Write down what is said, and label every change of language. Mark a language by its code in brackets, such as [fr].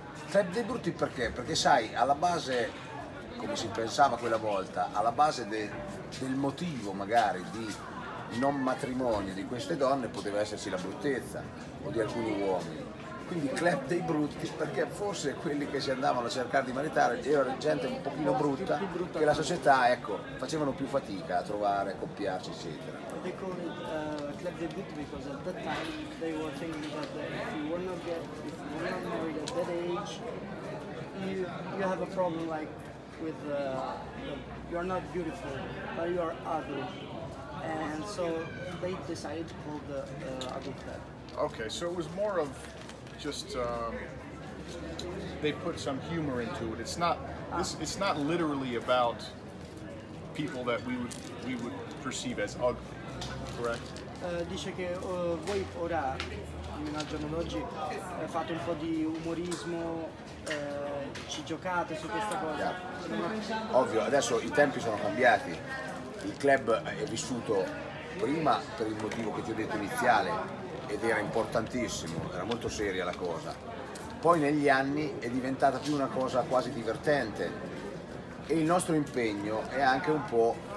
[it] Club dei Brutti perché? Perché sai, alla base, come si pensava quella volta, alla base del motivo magari di non matrimonio di queste donne poteva esserci la bruttezza o di alcuni uomini. Quindi Club dei Brutti, perché forse quelli che si andavano a cercare di maritare erano gente un pochino brutta, che la società, ecco, facevano più fatica a trovare, a coppiarsi, eccetera. [en] They called it Club dei Brutti because at that time they were thinking that if you were not married at that age, you have a problem like with you are not beautiful, but you are ugly. And so they decided to call the ugly club. Okay, so it was more of just they put some humor into it. It's not literally about people that we would perceive as ugly, correct? [it] Dice che voi ora, almeno al giorno d'oggi, fate un po' di umorismo ci giocate su questa cosa? [en] Yeah. [it] Ovvio, adesso i tempi sono cambiati, il club è vissuto prima per il motivo che ti ho detto iniziale ed era importantissimo, era molto seria la cosa, poi negli anni è diventata più una cosa quasi divertente e il nostro impegno è anche un po'